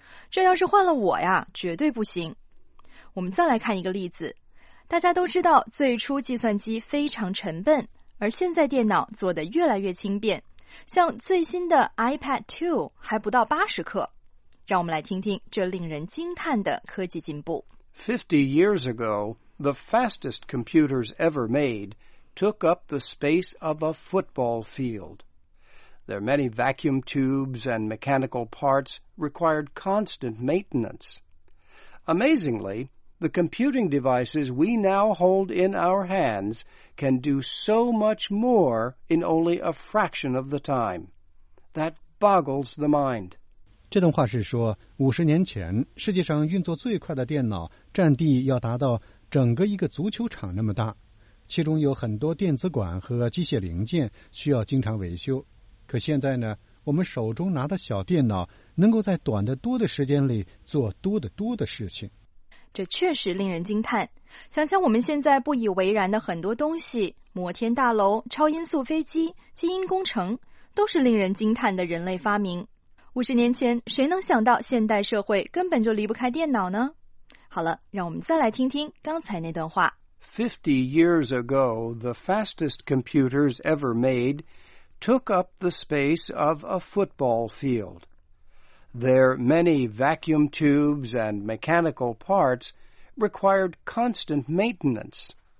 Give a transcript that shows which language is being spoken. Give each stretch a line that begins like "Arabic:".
Chinese: 这要是换了我呀，绝对不行。我们再来看一个例子。大家都知道，最初计算机非常沉笨，而现在电脑做得越来越轻便，像最新的 iPad 2还不到80克。让我们来听听这令人惊叹的科技进步。
English: 50 years ago, the fastest computers ever made took up the space of a football field. Their many vacuum tubes and mechanical parts required constant maintenance. Amazingly, the computing devices we now hold in our hands can do so much more in only a fraction of the time. That boggles the mind.
Chinese: 这段话是说，50年前，世界上运作最快的电脑占地要达到整个一个足球场那么大，其中有很多电子管和机械零件需要经常维修。可现在呢，我们手中拿的小电脑能够在短得多的时间里做多得多的事情。这确实令人惊叹。想想我们现在不以为然的很多东西，摩天大楼、超音速飞机、基因工程，都是令人惊叹的人类发明。五十年前，谁能想到现代社会根本就离不开电脑呢？好了，让我们再来听听刚才那段话。
English: 50 years ago, the fastest computers ever made took up the space of a football field. Their many vacuum tubes and mechanical parts required constant maintenance.